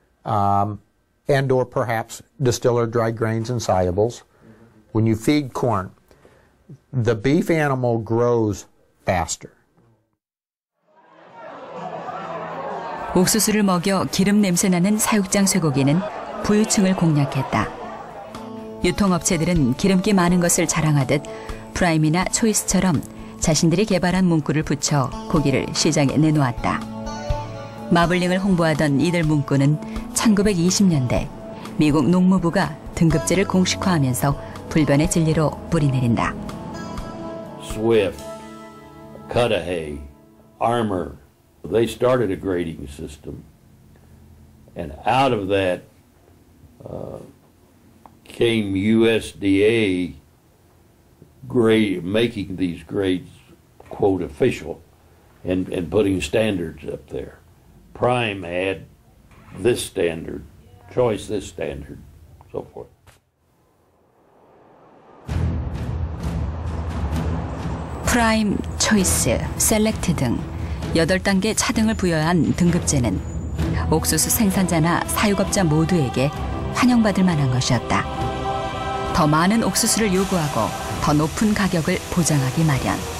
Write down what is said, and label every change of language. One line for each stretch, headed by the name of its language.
English: And or perhaps distiller dried grains and solubles. When you feed corn, the beef animal grows faster.
Korean: 옥수수를 먹여 기름 냄새 나는 사육장 쇠고기는 부유층을 공략했다. 유통업체들은 기름기 많은 것을 자랑하듯 프라임이나 초이스처럼 자신들이 개발한 문구를 붙여 고기를 시장에 내놓았다. 마블링을 홍보하던 이들 문구는 1920년대 미국 농무부가 등급제를 공식화하면서 불변의 진리로 뿌리내린다.
English: Swift, Cudahy, Armour, they started a grading system. And out of that came USDA grade, making these grades, quote, official, and putting standards up there. Prime had this standard, choice this standard, so forth.
Korean: 프라임, 초이스, 셀렉트 등 8단계 차등을 부여한 등급제는 옥수수 생산자나 사육업자 모두에게 환영받을 만한 것이었다. 더 많은 옥수수를 요구하고 더 높은 가격을 보장하기 마련.